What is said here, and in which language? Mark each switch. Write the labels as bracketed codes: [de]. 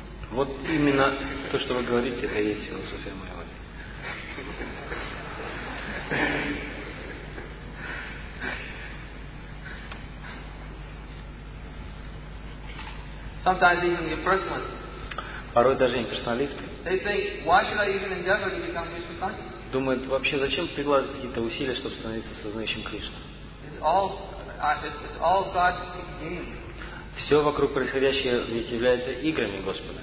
[ru] Вот именно то, что вы говорите, это и есть философия Майявади. [en] Sometimes even the impersonalists. [ru] Порой даже имперсоналисты. [en] They think, why should I even endeavor to become Krishna conscious? [ru] Думают, вообще зачем прикладывать какие-то усилия, чтобы становиться сознающим Кришну? [en] It's all God's game. [ru] Все вокруг происходящее ведь является играми Господа.